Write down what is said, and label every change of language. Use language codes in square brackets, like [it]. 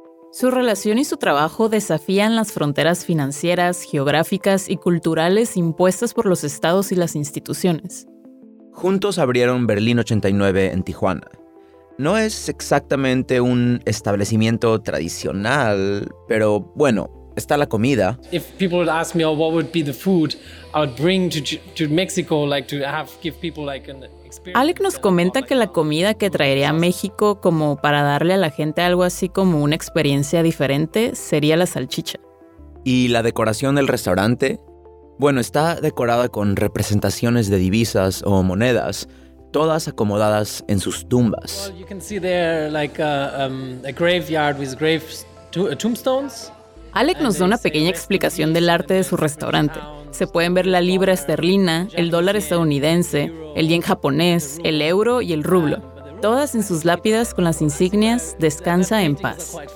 [es] Su relación y su trabajo desafían las fronteras financieras, geográficas y culturales impuestas por los estados y las instituciones. Juntos abrieron Berlín 89 en Tijuana. No es exactamente un establecimiento tradicional, pero bueno, está la comida. [en] If people would ask me, oh, what would be the food I would bring to Mexico, like to have give people like an experience. [es] Alec nos comenta que la comida que traería a México como para darle a la gente algo así como una experiencia diferente sería la salchicha. ¿Y la decoración del restaurante? Bueno, está decorada con representaciones de divisas o monedas, todas acomodadas en sus tumbas. [en] Well, you can see there like a graveyard with graves, tombstones. [es] Alec nos da una pequeña explicación del arte de su restaurante. Se pueden ver la libra esterlina, el dólar estadounidense, el yen japonés, el euro y el rublo. Todas en sus lápidas con las insignias Descansa en paz.